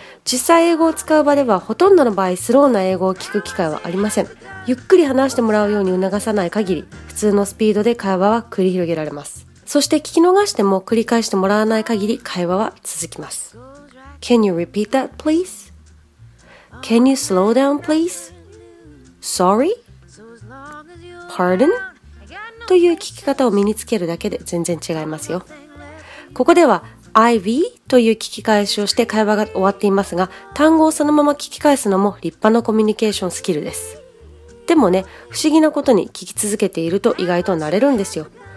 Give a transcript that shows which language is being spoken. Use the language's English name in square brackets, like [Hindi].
[Japanese] 実際英語を使う場ではほとんどの場合スローな英語を聞く機会はありません。ゆっくり話してもらうように促さない限り、普通のスピードで会話は繰り広げられます。そして聞き逃しても繰り返してもらわない限り会話は続きます。 [English] Can you repeat that, please? Can you slow down, please? Sorry? Pardon? [Japanese] という聞き方を身につけるだけで全然違いますよ。ここでは Ivy という聞き返しをして会話が終わっていますが、単語をそのまま聞き返すのも立派なコミュニケーションスキルです。でもね、不思議なことに聞き続けていると意外と慣れるんですよ。